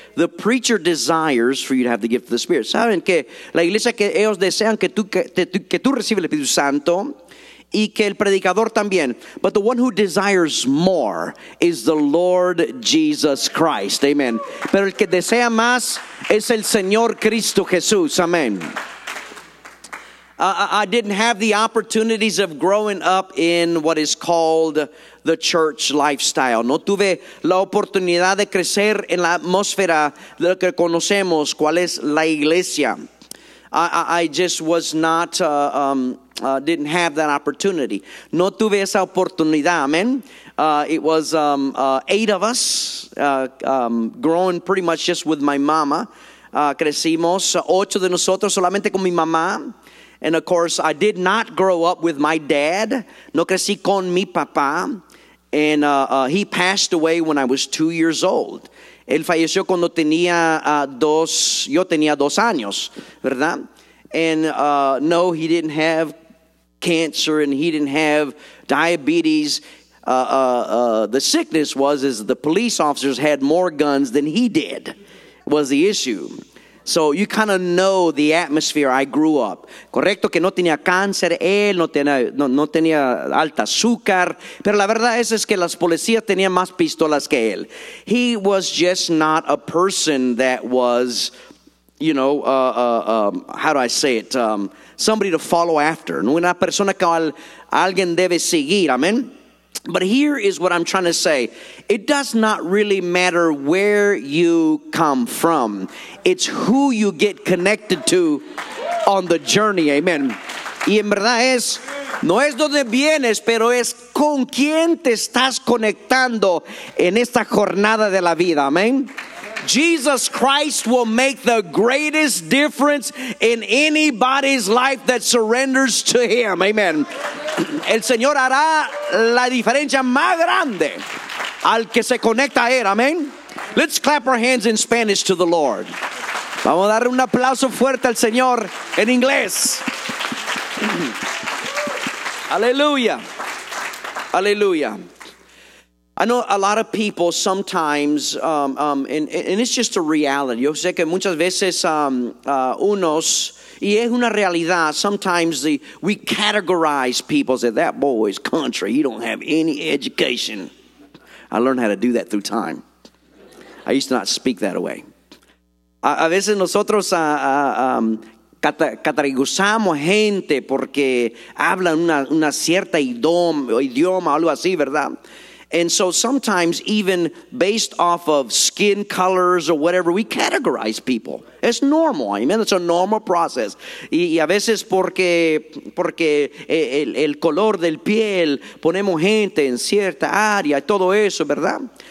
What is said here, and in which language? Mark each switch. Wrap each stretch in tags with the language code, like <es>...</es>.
<en>The preacher desires for you to have the gift of the Spirit.</en> <es>Saben que la iglesia que ellos desean que tú recibas el Espíritu Santo y que el predicador también.</es> <en>But the one who desires more is the Lord Jesus Christ. Amen.</en> <es>Pero el que desea más es el Señor Cristo Jesús.</es> <en>Amen. I didn't have the opportunities of growing up in what is called the church lifestyle.</en> <es>No tuve la oportunidad de crecer en la atmósfera de lo que conocemos, cuál es la iglesia.</es> <en>I just was not, didn't have that opportunity.</en> <es>No tuve esa oportunidad, amen.</es> <en>It was 8 of us growing pretty much just with my mama.</en> <es>Crecimos 8 de nosotros solamente con mi mamá.</es> <en>And of course, I did not grow up with my dad.</en> <es>No crecí con mi papá.</es> <en>And he passed away when I was 2 years old.</en> <es>Él falleció cuando tenía yo tenía 2 años, ¿verdad?</es> <en>And no, he didn't have cancer and he didn't have diabetes. The sickness was is the police officers had more guns than he did, was the issue. So you kind of know the atmosphere I grew up.</en> <es>Correcto que no tenía cáncer, él no tenía alta azúcar. Pero la verdad es que las policías tenían más pistolas que él.</es> <en>He was just not a person that was, you know, how do I say it? Somebody to follow after.</en> <es>No una persona que alguien debe seguir, amen.</es> <en>But here is what I'm trying to say. It does not really matter where you come from. It's who you get connected to on the journey. Amen.</en> <es>Y en verdad es, no es donde vienes, pero es con quién te estás conectando en esta jornada de la vida.</es> <en>Amen. Jesus Christ will make the greatest difference in anybody's life that surrenders to Him.</en> <es>Amen. El Señor hará la diferencia más grande al que se conecta a Él. Amen.</es> <en>Let's clap our hands in Spanish to the Lord.</en> <es>Vamos a darle un aplauso fuerte al Señor en inglés. Aleluya. Aleluya.</es> <en>I know a lot of people sometimes, and it's just a reality.</en> <es>Yo sé que muchas veces unos, y es una realidad,</es> <en>sometimes we categorize people, say, that boy is country, he don't have any education. I learned how to do that through time. I used to not speak that way.</en> <es>A veces nosotros categorizamos gente porque hablan una cierta idioma, algo así, ¿verdad?</es> <en>And so sometimes even based off of skin colors or whatever, we categorize people. It's normal, amen. It's a normal process.</en> <es>Y a veces porque el color del piel, ponemos gente en cierta área y todo eso, ¿verdad?</es>